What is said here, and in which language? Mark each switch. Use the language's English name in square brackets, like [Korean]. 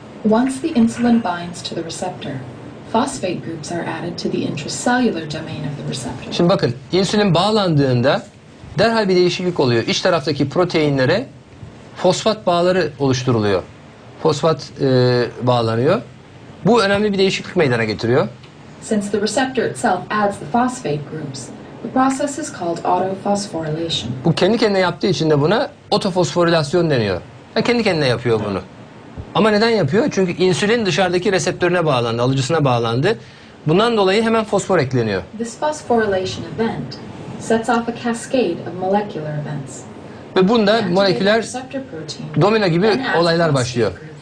[English] Once the insulin binds to the receptor, phosphate groups are added to the intracellular domain of the receptor. [Turkish] Şimdi bakın, insülin bağlandığında derhal bir değişiklik oluyor. İç taraftaki proteinlere fosfat bağları oluşturuluyor. Fosfat bağlanıyor. Bu önemli bir değişiklik meydana getiriyor. [English] Since the receptor itself adds the phosphate groups, the process is called autophosphorylation. [Turkish] Bu kendi kendine yaptığı için de buna otofosforilasyon deniyor. Yani kendi kendine yapıyor bunu. Ama neden yapıyor? Çünkü insülin dışarıdaki reseptörüne bağlandı, alıcısına bağlandı. Bundan dolayı hemen fosfor ekleniyor. [English] This phosphorylation event sets off a cascade of molecular events. [Turkish] Ve bunda moleküler domino gibi olaylar başlıyor.